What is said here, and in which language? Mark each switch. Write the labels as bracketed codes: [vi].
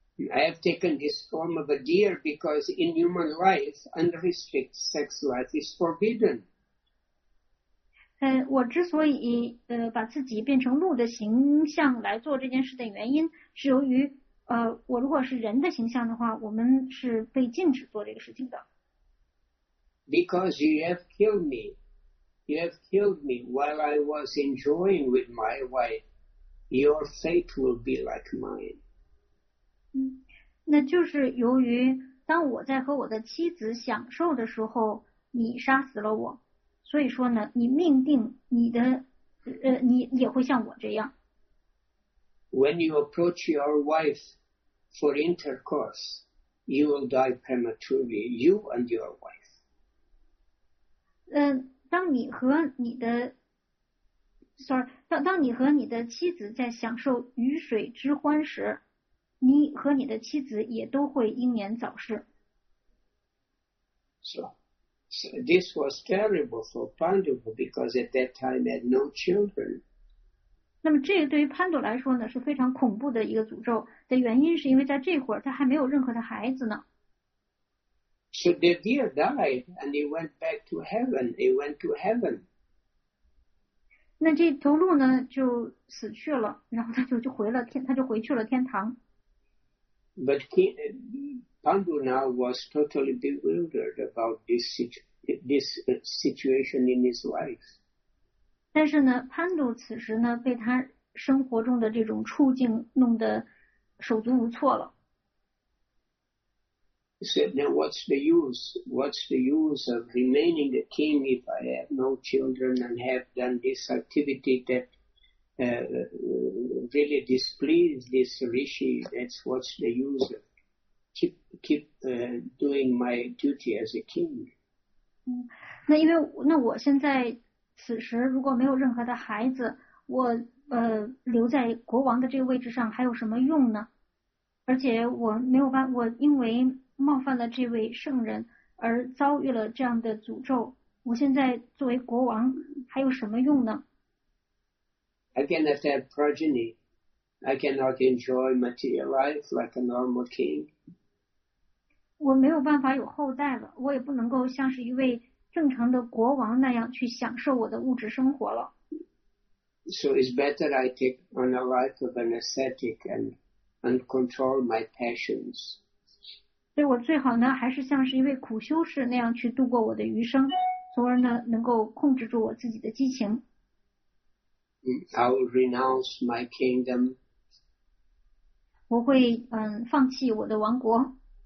[en] I have taken this form of a deer because in human life, unrestricted sex life is forbidden. [zh] 我之所以把自己变成鹿的形象来做这件事的原因，是由于我如果是人的形象的话，我们是被禁止做这个事情的。 [en] Because you have killed me while I was enjoying with my wife, your fate will be like mine. [zh] 那就是由于当我在和我的妻子享受的时候，你杀死了我，所以说呢，你命定你的你也会像我这样。 [en] When you approach your wife for intercourse, you will die prematurely, you and your wife. [zh] 当你和你的妻子在享受鱼水之欢时，你和你的妻子也都会英年早逝。 [en] So this was terrible for Pandu because at that time had no children. [zh] 那么这个对于潘朵来说呢，是非常恐怖的一个诅咒的原因，是因为在这会儿他还没有任何的孩子呢。 [en] So the deer died and he went back to heaven. He went to heaven. [zh] 那这头鹿呢就死去了，然后他就回去了天堂。 [en] But Pandu now was totally bewildered about this situation in his life. [zh] 但是呢，潘度此时呢，被他生活中的这种处境弄得手足无措了。 [en] He said, "Now what's the use? What's the use of remaining a king if I have no children and have done this activity that?" Really displeased this rishi. That's what's the use of keep doing my duty as a king. [zh] 那我现在此时如果没有任何的孩子，我留在国王的这个位置上还有什么用呢？而且我没有办，我因为冒犯了这位圣人而遭遇了这样的诅咒，我现在作为国王还有什么用呢？ [en] I cannot have progeny. I cannot enjoy material life like a normal king. [zh] 我没有办法有后代了，我也不能够像是一位正常的国王那样去享受我的物质生活了。 [en] So it's better I take on a life of an ascetic and control my passions. [zh] 所以我最好呢，还是像是一位苦修士那样去度过我的余生，从而呢，能够控制住我自己的激情。 [en] I will renounce my kingdom. [zh] 我会放弃我的王国。